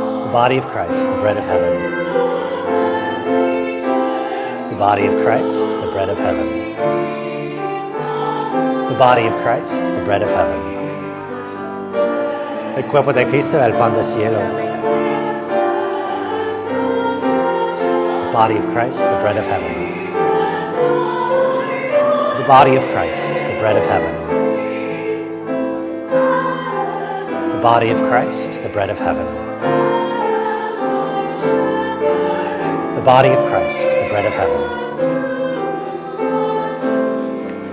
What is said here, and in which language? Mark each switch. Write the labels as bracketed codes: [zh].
[en] The body of Christ, the bread of heaven. The body of Christ, the bread of heaven. The body of Christ, the bread of heaven. [es] El cuerpo de Cristo, el pan del cielo. [en] The body of Christ, the bread of heaven. The body of Christ, the bread of heaven. The body of Christ, the bread of heaven. The body of Christ, the bread of heaven.